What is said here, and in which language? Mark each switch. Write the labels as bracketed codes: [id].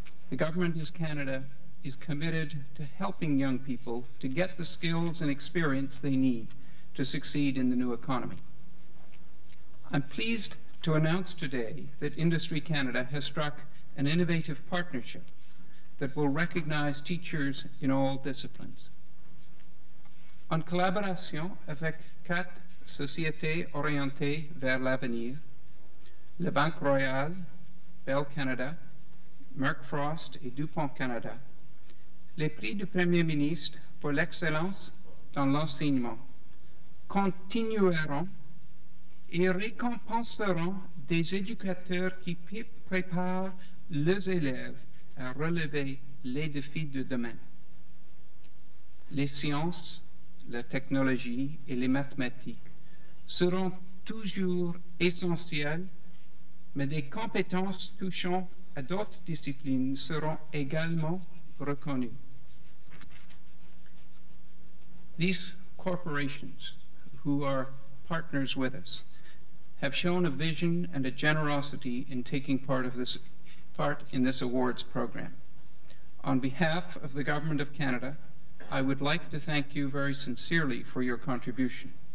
[en] The Government of Canada is committed to helping young people to get the skills and experience they need to succeed in the new economy. I'm pleased to announce today that Industry Canada has struck an innovative partnership that will recognize teachers in all disciplines. [fr] En collaboration avec quatre Société Orientée vers l'Avenir, Le Banque Royale, Bell Canada, Merck Frost et DuPont Canada, les prix du Premier ministre pour l'excellence dans l'enseignement continueront et récompenseront des éducateurs qui préparent leurs élèves à relever les défis de demain. Les sciences, la technologie et les mathématiques seront toujours essentielles, mais des compétences touchant à d'autres disciplines seront également reconnues. [en] These corporations, who are partners with us, have shown a vision and a generosity in taking part in this awards program. On behalf of the Government of Canada, I would like to thank you very sincerely for your contribution.